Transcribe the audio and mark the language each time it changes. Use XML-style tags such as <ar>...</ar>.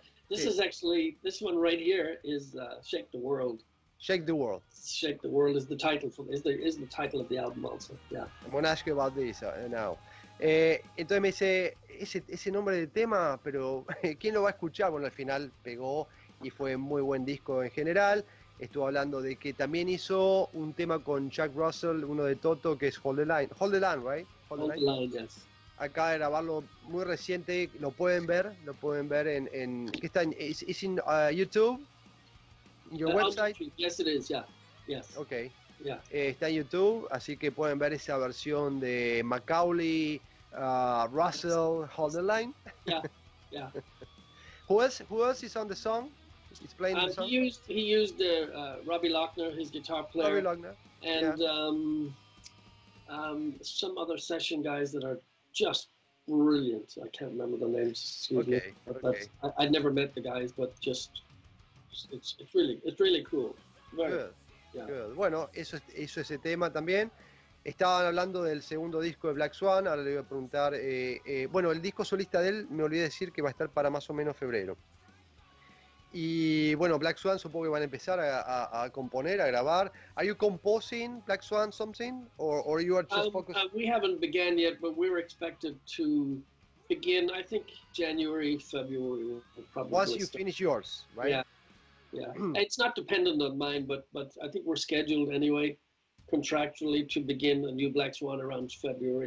<en>This is actually, this one right here is Shake the World. Shake the World. Shake the World is the title is the title of the album also, yeah. I'm gonna ask you about this now.</en> <es>Entonces me dice, ese nombre de tema, pero ¿quién lo va a escuchar? Bueno, al final pegó y fue muy buen disco en general. Estuvo hablando de que también hizo un tema con Chuck Russell, uno de Toto, que es Hold the Line. Hold the Line, right?</es> <en>Hold the Line, yes.</en> <es>Acaba de grabarlo muy reciente, lo pueden ver en ¿qué está? ¿Es en YouTube?</es> <en>¿En your website? Yes, it is, yeah. Yes. Okay. Yeah.</en> <es>Está en YouTube, así que pueden ver esa versión de Macaulay, Russell, Hold the Line.</es> <en>Yeah. Who else is on the song? He's playing the song. He used Robbie Lochner, his guitar player. Robbie Lochner. And some other session guys that are just brilliant. I can't remember the names. I'd never met the guys, but just it's really cool.</en> <es>Good. Bueno, eso hizo ese tema también. Estaban hablando del segundo disco de Black Swan. Ahora le voy a preguntar. Bueno, el disco solista de él, me olvidé decir que va a estar para más o menos febrero. Y bueno, Black Swan, supongo que van a empezar a componer, a grabar.</es> <en>Are you composing Black Swan something, or you are just focused? We haven't began yet, but we're expected to begin. I think January, February. Probably once you finish yours, right? Yeah, it's not dependent on mine, but I think we're scheduled anyway, contractually, to begin a new Black Swan around February.</en>